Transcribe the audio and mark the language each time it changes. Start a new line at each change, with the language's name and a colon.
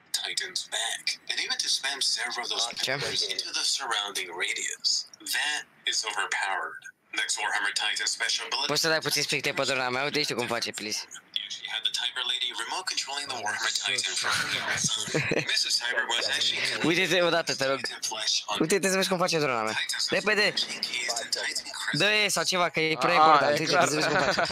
English: Titan's back, and even to spam several of those pillars into the surrounding radius. That is overpowered. Next Warhammer Titan special ability.
Romanian: Poți să dai puțin speak de pădurea mea? Uite, știu cum face, please.
English: She had the Tiger Lady remote controlling the Warhammer Titan from her house. Mrs. Tiber was actually...
Romanian: Uite-te odată, te rog. Uite-te să vezi cum face drona mea. Repede! Dă-i sau ceva, că e pre-record, dar uite-te să vezi cum face.